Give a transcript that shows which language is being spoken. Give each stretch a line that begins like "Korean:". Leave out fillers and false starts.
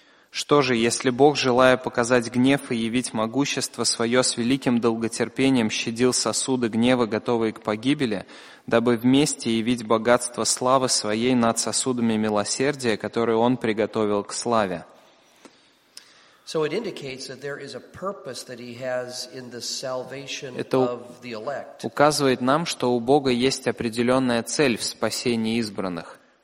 Russian: Что же, если Бог, желая показать гнев и явить могущество свое с великим долготерпением, щадил сосуды гнева, готовые к погибели, дабы вместе явить богатство славы своей над сосудами милосердия, которые он приготовил к славе?
English: So it indicates that there is a purpose that he has in the salvation of the elect.
Russian: Это указывает нам, что у Бога есть определенная цель в спасении избранных.